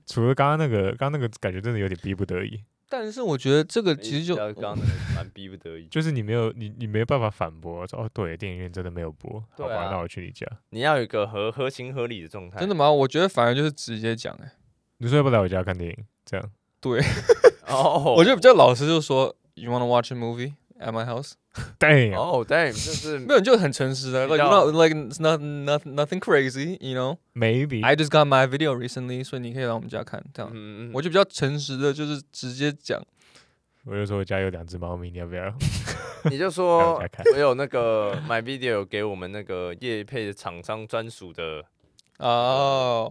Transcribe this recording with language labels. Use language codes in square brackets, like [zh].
[zh] 除了刚刚那个，感觉真的有点逼不得已。但是我觉得这个其实就刚刚的蛮逼不得已，就是你没有你没办法反驳说哦，对，电影院真的没有播，啊、好吧，那我去你家。你要有一个合情合理的状态，真的吗？我觉得反而就是直接讲哎、欸，你说要不来我家看电影这样？对，哦、oh. ，我觉得比较老实，就说 You wanna watch a movie at my house？ [en] Damn，哦、oh, ，Damn，就是没有就很诚实的，like it's nothing crazy， you know？ Maybe [zh] I just got my video recently，所以你可以来我们家看，这样。嗯嗯，我就比较诚实的，就是直接讲。我就说我家有两只猫咪，你要不要？你就说我有那个买 video 给我们那个业配厂商专属的哦、